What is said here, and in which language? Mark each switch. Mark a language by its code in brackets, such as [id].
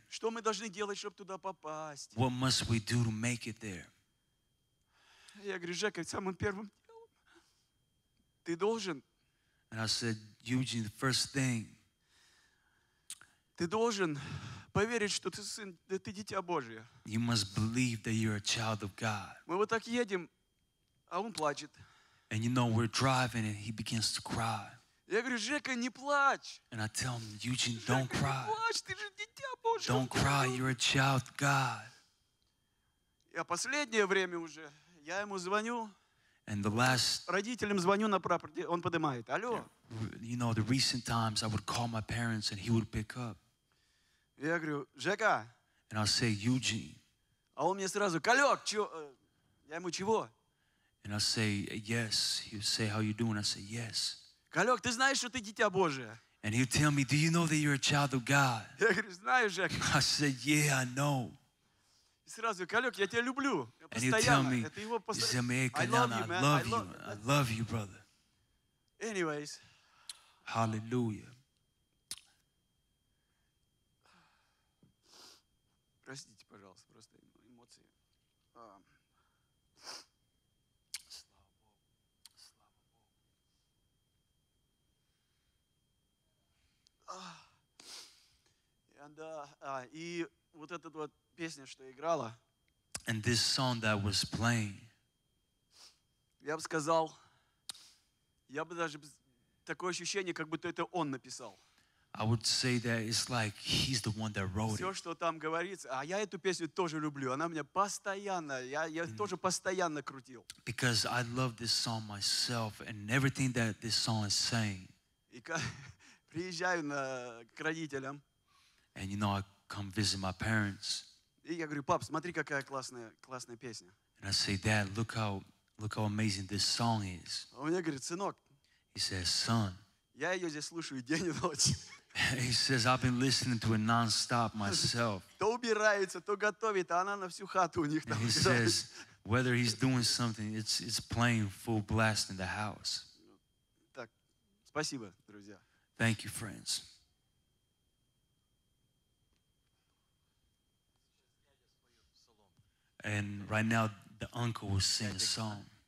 [ru] Что мы должны делать, чтобы туда попасть? [en] What must we do to make it there? [ru] Я говорю, Жека, самым первым делом ты должен. [en] And I said, Eugene, the first thing. [ru] Ты должен поверить, что ты сын, ты дитя Божие. [en] You must believe that you're a child of God. [ru] Мы вот так едем, а он плачет. [en] And we're driving, and he begins to cry. [ru] Я говорю, Жека, не плачь. [en] And I tell him, Eugene, [ru] Жека, [en] don't cry. [ru] Не плачь, ты же дитя Божие. [en] Don't cry, you're a child of God. [ru] Я последнее время уже я ему звоню. [en] And the last, [ru] родителям звоню на прапор, он поднимает. Алло. [en] The recent times I would call my parents and he would pick up. [ru] Я говорю, Жека. [en] And I'll say, Eugene. [ru] А он мне сразу, Калек, чё? Я ему чего? [en] And I'll say, yes. He'll say, how you doing? I say, yes. [ru] Калек, ты знаешь, что ты дитя Божие? [en] And he'll tell me, do you know that you're a child of God? [ru] Я говорю, знаю, Жека. [en] I said, yeah, I know. [ru] Сразу, Калек, я тебя люблю. [en] And he'll tell me, I love you. I love you, brother. Anyways. Hallelujah. [ru] Простите, пожалуйста, просто эмоции. Слава Богу. Слава Богу. И вот этот вот песня, что играла. [en] And this song that was playing. [ru] Я бы сказал, я бы даже такое ощущение, как будто это он написал. [en] I would say that it's like he's the one that wrote it. [ru] Все, что там говорится, а я эту песню тоже люблю. Она мне постоянно, я тоже постоянно крутил. [en] Because I love this song myself and everything that this song is saying. [ru] И приезжаю к родителям. [en] And I come visit my parents. [ru] И я говорю, пап, смотри, какая классная песня. [en] And I say, Dad, look how amazing this song is. [ru] Он мне говорит, сынок. [en] He says, son. [ru] Я ее здесь слушаю день и ночь. [en] He says, I've been listening to it non-stop myself. [ru] То убирается, то готовит, а она на всю хату у них там. [en] He says, whether he's doing something, it's playing full blast in the house. [ru] Так, спасибо, друзья. [en] Thank you, friends. And right now, the uncle will sing a song.